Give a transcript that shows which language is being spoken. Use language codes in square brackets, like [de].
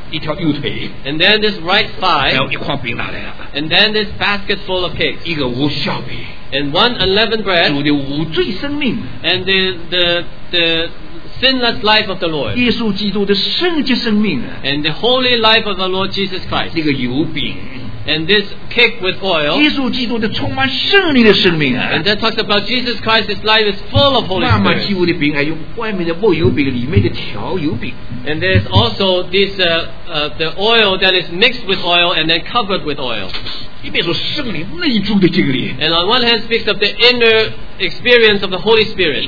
[en] And then this right thigh. And then this basket full of cakes. And one unleavened bread. And the sinless life of the Lord. [zh] 耶稣基督的圣洁生命, [en] and the holy life of the Lord Jesus Christ. [zh] 那个油饼, [en] and this cake with oil. [zh] 耶稣基督的充满圣灵的生命, [en] and that talks about Jesus Christ's life is full of Holy Spirit. And there's also this the oil that is mixed with oil and then covered with oil. And on one hand speaks of the inner experience of the Holy Spirit.